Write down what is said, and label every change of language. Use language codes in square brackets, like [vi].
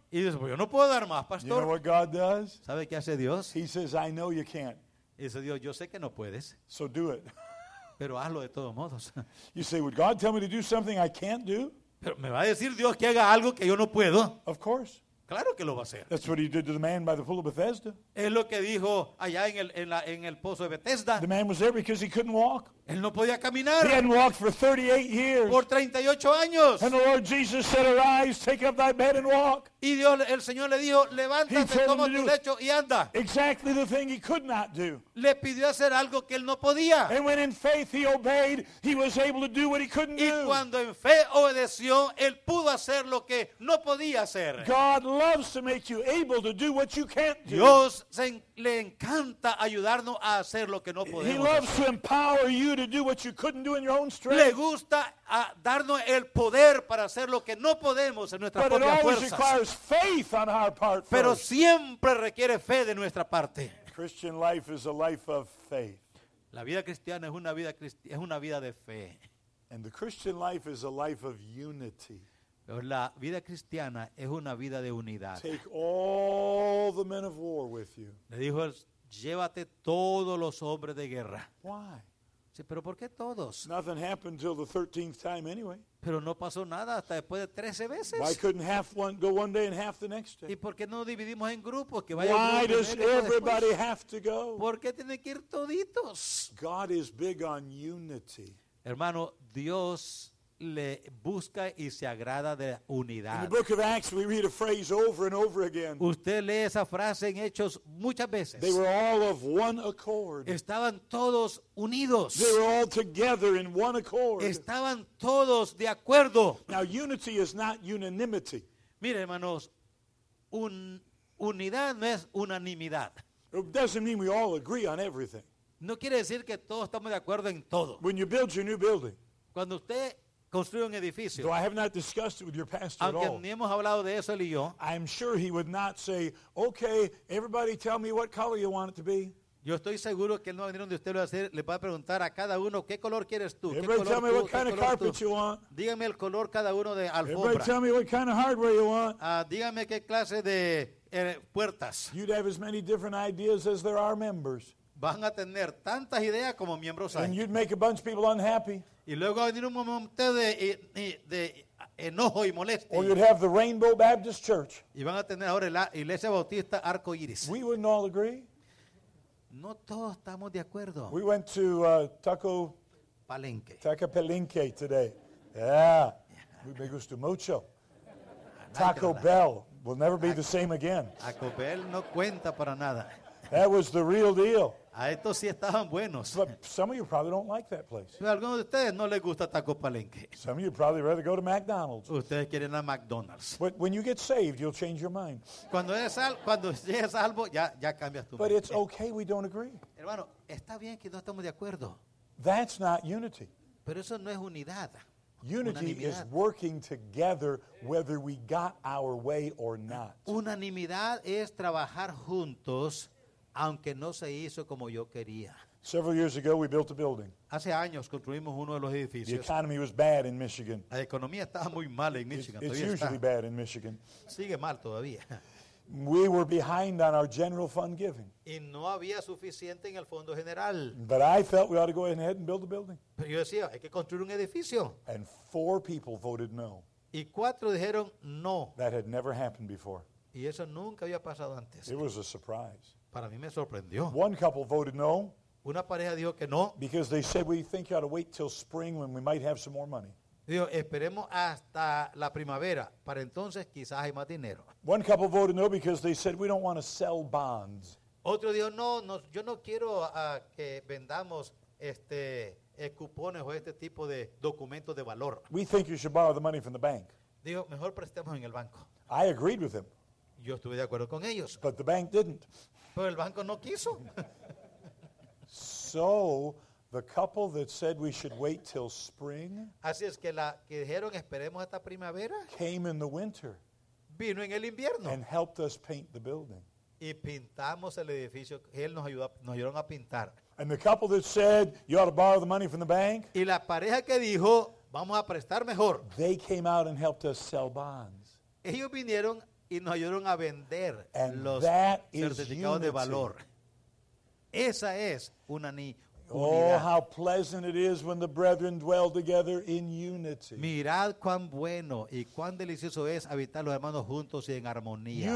[es] Y dices, pues yo no puedo dar más, pastor. [en] You know what God does? [es] ¿Sabe qué hace Dios? [en] He says, I know you can't. [es] Y dice Dios, yo sé que no puedes. [en] So do it. [es] Pero hazlo de todos modos. [en] You say, would God tell me to do something I can't do? [es] Pero me va a decir Dios que haga algo que yo no puedo. [en] Of course. [es] Claro que lo va a hacer. [en] That's what he did to the man by the pool of Bethesda. [es] Es lo que dijo allá en el pozo de Bethesda. [en] The man was there because he couldn't walk. [es] Él no podía caminar. [en] He hadn't walked for 38 years. [es] Por 38 años. [en] And the Lord Jesus said, arise, take up thy bed and walk. [es] Y Dios, el Señor le dijo, levántate, toma tu lecho y anda. [en] Exactly the thing he could not do. [es] Le pidió hacer algo que él no podía. [en] And when in faith he obeyed, he was able to do what he couldn't [es] y [en] do. [es] Y cuando en fe obedeció, él pudo hacer lo que no podía hacer. [en] God loves to make you able to do what you can't do. [es] Dios le encanta ayudarnos a hacer lo que no podemos. [en] He loves [es] hacer. [en] To empower you to do what you couldn't do in your own strength. [es] Le gusta a darnos el poder para hacer lo que no podemos en nuestras [en] but [es] propias fuerzas. [en] But it always [es] fuerzas. [en] Requires faith on our part. [es] Pero [en] first. [es] Siempre requiere fe de nuestra parte. [en] Christian life is a life of faith. [es] La vida cristiana es una vida de fe. [en] And the Christian life is a life of unity. [es] La vida cristiana es una vida de unidad. [en] Take all the men of war with you. [es] Le dijo, llévate todos los hombres de guerra. [en] Why? [es] Sí, pero ¿por qué todos? [en] Nothing happened until the 13th time anyway. [es] Pero no pasó nada hasta después de 13 veces. [en] Why couldn't half one go one day and half the next day? [es] ¿Y por qué no dividimos en grupos que vaya? [en] Why does everybody have to go? [es] ¿Por qué tiene que ir toditos? [en] God is big on unity. [es] Hermano, Dios le busca y se agrada de unidad. [en] In the book of Acts, we read a phrase over and over again. [es] Usted lee esa frase en Hechos muchas veces. [en] They were all of one accord. [es] Estaban todos unidos. [en] They were all together in one accord. [es] Estaban todos de acuerdo. [en] Now, unity is not unanimity. [es] Mire, hermanos, unidad no es unanimidad. [en] It doesn't mean we all agree on everything. [es] No quiere decir que todos estamos de acuerdo en todo. [en] When you build your new building, [es] cuando usted construye un edificio, [en] though I have not discussed it with your pastor [es] aunque [en] at all, [es] ni hemos hablado de eso, él y yo, [en] I'm sure he would not say, okay, everybody tell me what color you want it to be. [es] Yo estoy seguro que él no va a venir donde usted lo va a hacer, le va a preguntar a cada uno qué color quieres tú. [en] Everybody [es] ¿qué color [en] tell me [es] tú, [en] what kind of carpet [es] tú? [en] You want. [es] Dígame el color cada uno de alfombra. [en] Everybody tell me what kind of hardware you want. [es] Dígame qué clase de puertas. [en] You'd have as many different ideas as there are members. [es] Van a tener tantas ideas como miembros hay. [en] And you'd make a bunch of people unhappy. [es] Y luego va a venir un momento de enojo y molestia. [en] Or you'd have the Rainbow Baptist Church. [es] Y van a tener ahora la Iglesia Bautista Arco Iris. [en] We wouldn't all agree. [es] No todos estamos de acuerdo. [en] We went to Taco Palenque. [es] Taco Palenque [en] today. Yeah. [es] Me gusta mucho. [en] Taco Bell will never be the same again. [es] Taco Bell no cuenta para nada. [en] That was the real deal. [es] A estos sí estaban buenos. [en] But some of you probably don't like that place. [es] Pero algunos de ustedes no les gusta Taco Palenque. [en] Some of you probably rather go to McDonald's. [es] Ustedes quieren a McDonald's. [en] But when you get saved, you'll change your mind. [es] Cuando seas salvo, ya cambias tu mente. [en] But it's okay we don't agree. [es] Hermano, está bien que no estamos de acuerdo. [en] That's not unity. [es] Pero eso no es unidad. [en] Unity is working together whether we got our way or not. [es] Unanimidad es trabajar juntos aunque no se hizo como yo quería. [en] Several years ago, we built a building. [es] Hace años construimos uno de los edificios. [en] The economy was bad in Michigan. [es] La economía estaba muy mal en Michigan. [en] It's usually [es] está. [en] Bad in Michigan. [es] Sigue mal todavía. [en] We were behind on our general fund giving. [es] Y no había suficiente en el fondo general. [en] But I felt we ought to go ahead and build a building. [es] Pero yo decía, hay que construir un edificio. [en] And four people voted no. [es] Y cuatro dijeron no. [en] That had never happened before. [es] Y eso nunca había pasado antes. [en] It was a surprise. [es] Para mí me sorprendió. [en] One couple voted no. [es] Una pareja dijo que no. [en] Because they said we think you ought to wait till spring when we might have some more money. [es] Dijo, esperemos hasta la primavera. Para entonces quizás hay más dinero. [en] One couple voted no because they said we don't want to sell bonds. [es] Otro dijo, no, yo no quiero que vendamos cupones o este tipo de documentos de valor. [en] We think you should borrow the money from the bank. [es] Dijo, mejor prestemos en el banco. [en] I agreed with him. [es] Yo estuve de acuerdo con ellos. [en] But the bank didn't. [es] Pero el banco no quiso. [en] So, the couple that said we should wait till spring, [es] así es que la que dijeron esperemos hasta primavera, [en] came in the winter, [es] vino en el invierno, [en] and helped us paint the building. [es] Y pintamos el edificio, él nos ayudó a pintar. [en] And the couple that said you ought to borrow the money from the bank, [es] y la pareja que dijo vamos a prestar mejor, [en] they came out and helped us sell bonds. [es] Ellos vinieron y nos ayudaron a vender [en] and [es] los certificados de valor. Esa es una ni unidad. [en] Oh, how pleasant it is when the brethren dwell together in unity. [es] Mirad cuán bueno y cuán delicioso es habitar los hermanos juntos y en armonía.